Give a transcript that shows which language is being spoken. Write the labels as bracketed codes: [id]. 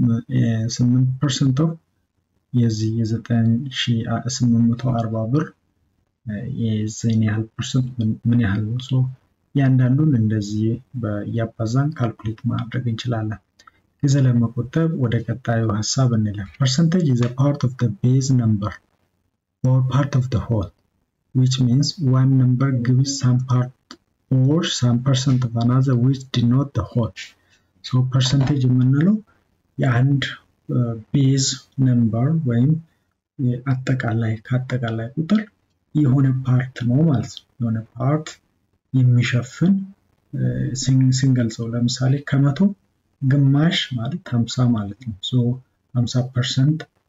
[am] 6.8% ኦፍ የዚህ የ9840 ብር የዚህን ያህል ፐርሰንት ምን ያህል ነው? ሶ እያንዳንዱን እንደዚህ እያባዛን ካልኩሌት ማድረግ እንችላለን። ጊዜ ለመቆጠብ ወደ ቀጣዩ ሀሳብ እንለፍ። [en] ፐርሰንቴጅ ኢዝ አ ፓርት ኦፍ ዘ ቤዝ ነምበር or part of the whole, which means one number gives some part or some percent of another which denote the whole. [am] So percentage የምንለው የአንድ ቤዝ ነምበር ወይም አጠቃላይ ከአጠቃላይ ቁጥር የሆነ ፓርት ነው ማለት ነው። የሆነ ፓርት የሚሸፍን ስንገልጸው ለምሳሌ ከመቶ ግማሽ ማለት ሀምሳ ማለት ነው። ሶ ሀምሳ ፐርሰንት